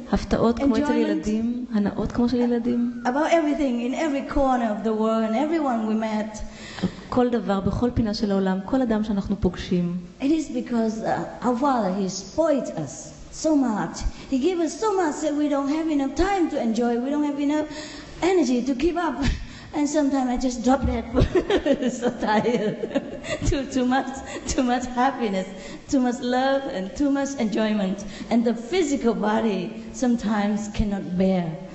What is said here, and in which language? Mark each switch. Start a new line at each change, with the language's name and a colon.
Hebrew: הפתעות כמו אצל ילדים, הנאות כמו של ילדים.
English: About everything in every corner of the world and everyone we met.
Hebrew: כל דבר בכל פינה של העולם, כל אדם שאנחנו פוגשים.
English: It is because our Father, he spoiled us so much. He gave us so much that we don't have enough time to enjoy. We don't have enough energy to keep up. And sometimes I just drop that. So tired. too much happiness, too much love and too much enjoyment, and the physical body sometimes cannot bear.